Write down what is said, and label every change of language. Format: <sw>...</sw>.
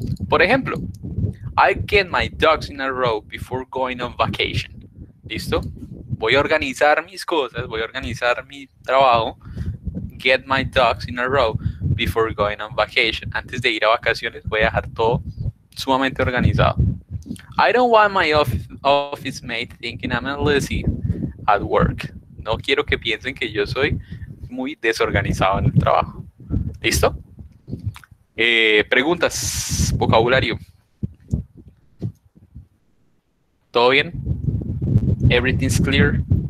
<es>Por ejemplo,</es> <en>I get my ducks in a row before going on vacation.</en> <es>¿Listo? Voy a organizar mis cosas, voy a organizar mi trabajo.</es> <en>Get my ducks in a row before going on vacation.</en> <es>Antes de ir a vacaciones, voy a dejar todo sumamente organizado.</es> <en>I don't want my office mate thinking I'm a lazy at work.</en> <es>No quiero que piensen que yo soy muy desorganizado en el trabajo. ¿Listo? Preguntas, vocabulario. ¿Todo bien?</es> <en>Everything's clear.</en>